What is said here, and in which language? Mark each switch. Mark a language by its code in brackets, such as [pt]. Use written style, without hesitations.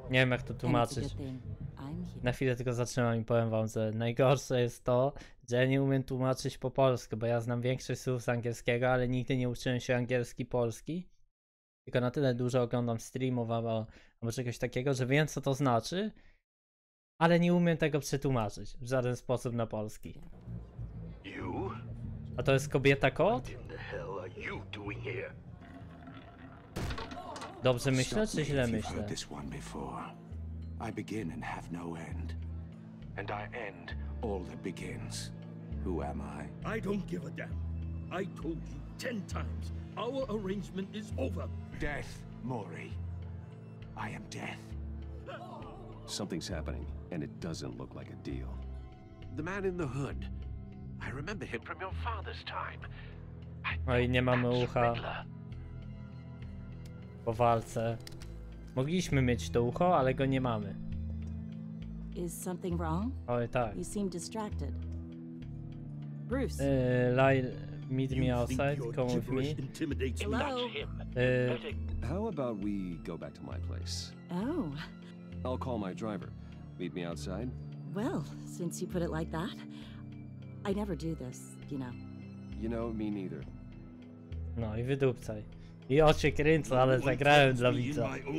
[pl] Nie wiem, jak to tłumaczyć. Na chwilę tylko zatrzymam i powiem wam, że najgorsze jest to, że nie umiem tłumaczyć po polsku, bo ja znam większość słów z angielskiego, ale nigdy nie uczyłem się angielski polski. Tylko na tyle dużo oglądam streamów albo czegoś takiego, że wiem, co to znaczy, ale nie umiem tego przetłumaczyć w żaden sposób na polski. [en] You? [pl] A to jest kobieta kot? [en] What in the hell are you doing here? [pl] Dobrze myślę, czy źle myślę? [en] I begin and have no end. And I end all that begins. Who am I? I don't give a damn. I told you 10 times. Our arrangement is over. Death, Maury. I am death. Something's happening, and it doesn't look like a deal. The man in the hood. I remember him from your father's time. [pl] Oj, nie mamy ucha. Po walce. Mogliśmy mieć to ucho, ale go nie mamy. [en] Is something wrong? [pl] Oj, tak. [en] You seem distracted. Bruce. Lyle, meet me outside. Come with me. Hello. How about we go back to my place? Oh. I'll call my driver. Meet me outside. Well, since you put it like that, I never do this, you know. You know, me neither. [pl] No i wydupcaj. I oczy kręcą, ale zagrałem dla widza.